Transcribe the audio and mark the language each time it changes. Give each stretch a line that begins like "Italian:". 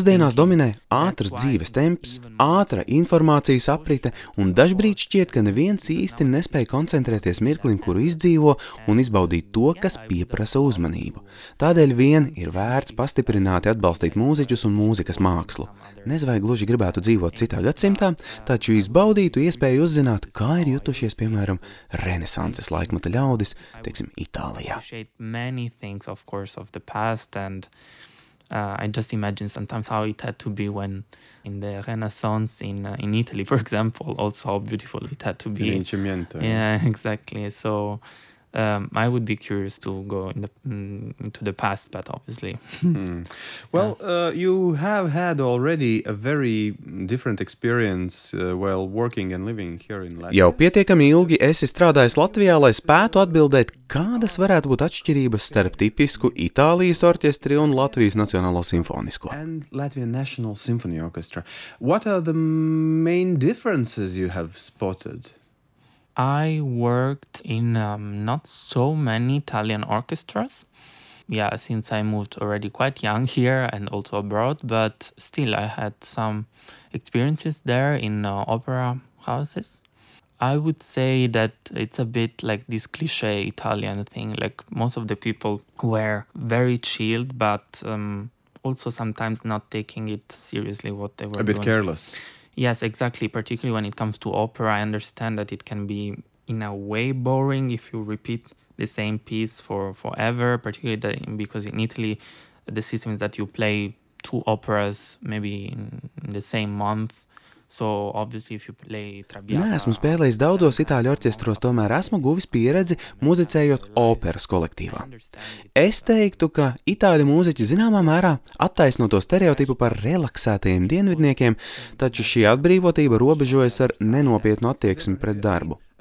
Latvian: Mūsdienās dominē ātras dzīves temps, ātra informācijas aprite un dažbrīd šķiet, ka neviens īsti nespēj koncentrēties mirklim, kuru izdzīvo un izbaudīt to, kas pieprasa uzmanību. Tādēļ vien ir vērts pastiprināti atbalstīt mūziķus un mūzikas mākslu. Nezvajag gluži gribētu dzīvot citā gadsimtā, taču izbaudītu iespēju uzzināt, kā ir jutušies, piemēram, renesanses laikmeta ļaudis, teiksim, Itālijā.
English: Many things, of course, of the past, and I just imagine sometimes how it had to be when in the Renaissance in Italy, for example, also how beautiful it had to be.
Italian: Rinascimento.
English: Yeah, exactly. So I would be curious to go into the past, but obviously. Well, you have had already a very different experience while working and living here in Latvia.
Latvian: Jau pietiekami ilgi esi strādājis Latvijā, lai spētu atbildēt, kādas varētu būt atšķirības starp tipisku Itālijas orķestri un Latvijas Nacionālo simfonisko.
English: And Latvian National Symphony Orchestra. What are the main differences you have spotted? I worked in not so many Italian orchestras. Yeah, since I moved already quite young here and also abroad, but still I had some experiences there in opera houses. I would say that it's a bit like this cliche Italian thing, like most of the people were very chilled, but also sometimes not taking it seriously what they were doing. A bit careless. Yes, exactly. Particularly when it comes to opera, I understand that it can be in a way boring if you repeat the same piece for forever, particularly that because in Italy, the system is that you play two operas maybe in the same month. So obviously if you play Traviata.
Latvian: Nē, esmu spēlējis daudzos itāļu orķestros, tomēr esmu guvis pieredzi muzicējot operas kolektīvā. Es teiktu, ka itāļu mūziķi zināmā mērā attaisno to stereotipu par relaksētajiem dienvidniekiem, taču šī atbrīvotība robežojas ar nenopietnu attieksmi pret darbu.